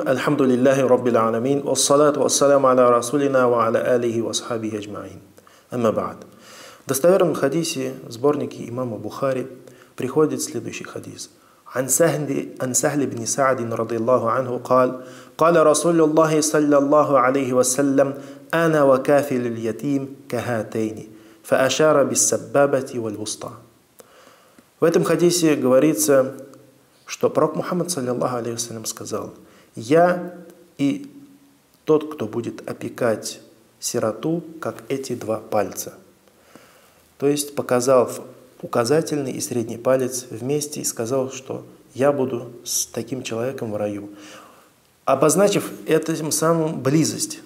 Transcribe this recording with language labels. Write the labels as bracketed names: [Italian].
[Arabic] الحمد لله رب العالمين، والصلاة والسلام على رسولنا وعلى آله وصحبه أجمعين. أما بعد، [Russian] достоверном хадисе в сборнике имама Бухари приходит следующий хадис. [Arabic] عن سهل بن سعد رضي الله عنه قال قال رسول الله صلى الله عليه وسلم أنا وكافل اليتيم كهاتين فأشار بالسبابة والوسطى. [Russian] В этом хадисе говорится, что пророк Мухаммад, саллиллаху алейхи вассалям, сказал: «Я и тот, кто будет опекать сироту, как эти два пальца». То есть показал указательный и средний палец вместе и сказал, что «я буду с таким человеком в раю», обозначив этим самым близость.